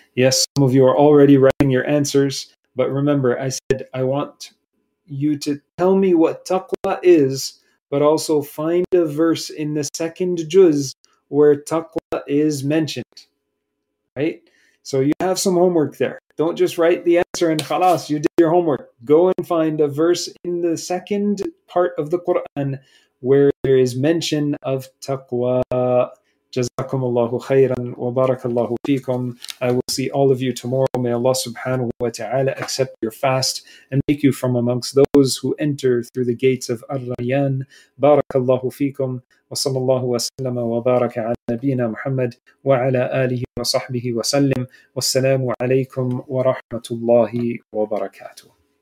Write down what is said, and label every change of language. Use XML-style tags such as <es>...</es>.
<en>Yes, some of you are already writing your answers, but remember, I said, I want you to tell me what taqwa is, but also find a verse in the second juz where taqwa is mentioned, right? So you have some homework there. Don't just write the answer and khalas, you did your homework. Go and find a verse in the second part of the Quran where there is mention of taqwa.</en> <ar>جزاكم الله خيرا وبارك الله فيكم.</ar> <en>I will see all of you tomorrow. May Allah subhanahu wa ta'ala accept your fast and make you from amongst those who enter through the gates of Ar-Rayyan.</en> <ar>بارك الله فيكم وصلى الله وسلم وبارك على نبينا محمد وعلى آله وصحبه وسلم. والسلام عليكم ورحمة الله وبركاته.</ar>